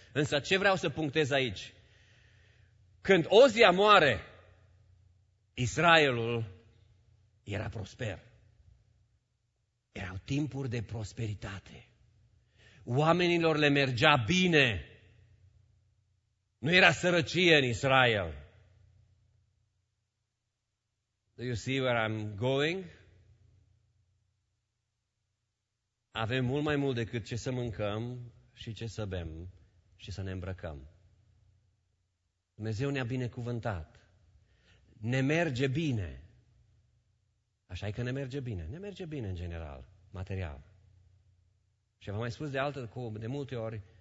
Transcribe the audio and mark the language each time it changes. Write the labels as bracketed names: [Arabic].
[Romanian] Însă ce vreau să punctez aici? Când Ozia moare, Israelul era prosper. Erau timpuri de prosperitate. Oamenilor le mergea bine. Nu era sărăcie în Israel. [English] Do you see where I'm going? [Romanian] Avem mult mai mult decât ce să mâncăm și ce să bem și să ne îmbrăcăm. Dumnezeu ne-a binecuvântat. Ne merge bine. Așa e că ne merge bine. Ne merge bine în general. Material. Și v-am mai spus de multe ori,